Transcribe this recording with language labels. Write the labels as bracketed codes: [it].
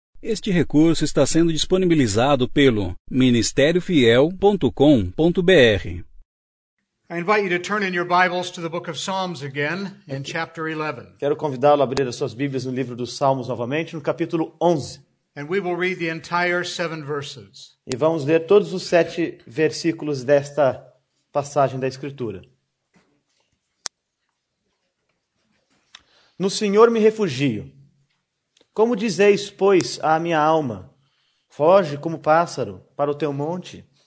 [pt] Este recurso está sendo disponibilizado pelo ministériofiel.com.br. [en] I invite you to turn in your Bibles to the book of Psalms again in chapter 11. [pt] Quero convidá-lo a abrir as suas Bíblias no livro dos Salmos novamente, no capítulo 11. [en] And we will read the entire 7 verses. [pt] E vamos ler todos os 7 versículos desta passagem da Escritura. No Senhor me refugio. Como dizeis, pois, à minha alma, foge como pássaro para o teu monte?